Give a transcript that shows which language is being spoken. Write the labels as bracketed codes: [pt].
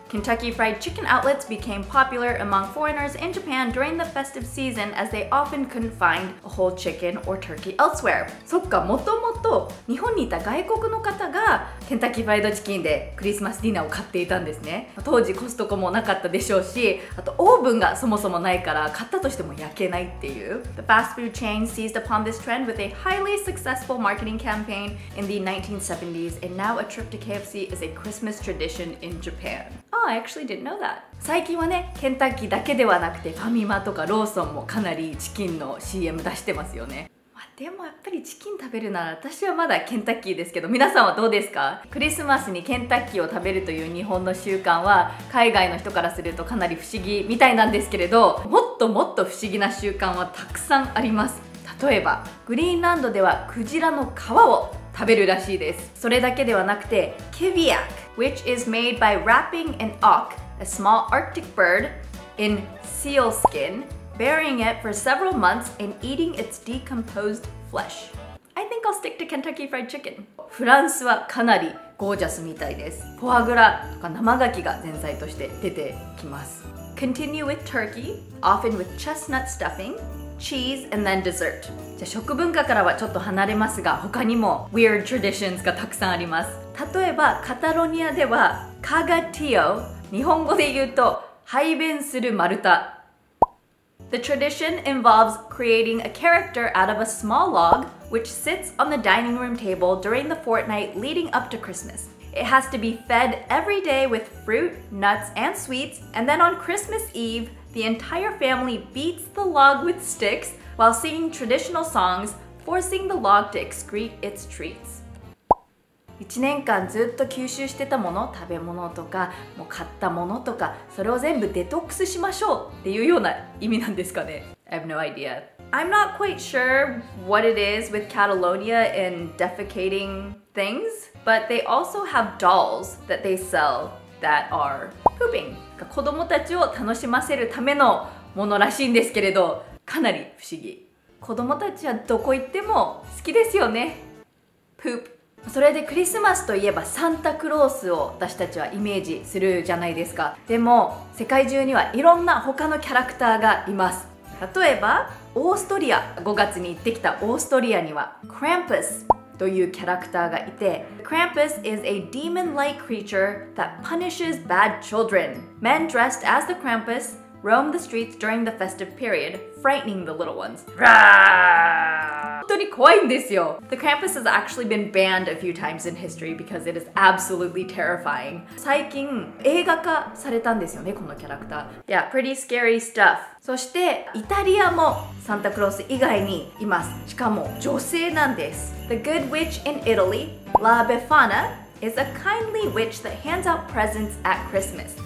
[en] Kentucky Fried Chicken outlets became popular among foreigners in Japan during the festive season as they often couldn't find a whole chicken or turkey elsewhere。 [ja] そっか、もともと日本にいた外国の方がケンタッキーフライドチキンでクリスマスディナーを買っていたんですね。当時コストコもなかったでしょうし、あとオーブンがそもそもないから買ったとしても焼けないっていう。 [en] The fast food chain seized upon this trend with a highly successful marketing campaign in the 1970s and now a trip to KFC is a Christmas tradition in Japan. Oh, I actually didn't know that. [ja] 最近はね、ケンタッキーだけではなくてファミマとかローソンもかなりチキンの CM 出してますよね。でもやっぱりチキン食べるなら私はまだケンタッキーですけど、皆さんはどうですか？クリスマスにケンタッキーを食べるという日本の習慣は海外の人からするとかなり不思議みたいなんですけれど、もっともっと不思議な習慣はたくさんあります。例えばグリーンランドではクジラの皮を食べるらしいです。それだけではなくて、キビアク [en] which is made by wrapping an auk, a small arctic bird, in seal skinburying it for several months and eating its decomposed flesh. I think I'll stick to Kentucky Fried Chicken. [ja] フランスはかなりゴージャスみたいです。フォアグラとか生牡蠣が前菜として出てきます。 [en] Continue with turkey, often with chestnut stuffing, cheese, and then dessert. [ja] じゃあ食文化からはちょっと離れますが、他にも [en] weird traditions [ja] がたくさんあります。例えばカタロニアではカガティオ、日本語で言うと排便する丸太。 [en] The tradition involves creating a character out of a small log which sits on the dining room table during the fortnight leading up to Christmas. It has to be fed every day with fruit, nuts, and sweets, and then on Christmas Eve, the entire family beats the log with sticks while singing traditional songs, forcing the log to excrete its treats. [ja] 1年間ずっと吸収してたもの、食べ物とかもう買ったものとか、それを全部デトックスしましょうっていうような意味なんですかね。 [en] I have no idea. I'm not quite sure what it is with Catalonia and defecating things, but they also have dolls that they sell that are pooping. [ja] 子供たちを楽しませるためのものらしいんですけれど、かなり不思議。子供たちはどこ行っても好きですよね。 [en] Poop. [ja] それでクリスマスといえばサンタクロースを私たちはイメージするじゃないですか。でも世界中にはいろんな他のキャラクターがいます。例えばオーストリア、5月に行ってきたオーストリアにはクランプスというキャラクターがいて、 [en] クランプス is a demon-like creature that punishes bad children. Men dressed as the Krampus roam the streets during the festive period, frightening the little ones. The Krampus has actually been banned a few times in history because it is absolutely terrifying. [ja] 最近映画化されたんですよね、このキャラクター。 [en] Yeah, pretty scary stuff. [ja] そしてイタリアもサンタクロース以外にいます。しかも女性なんです。 [en] The Good Witch in Italy, La Befana, is a kindly witch that hands out presents at Christmas.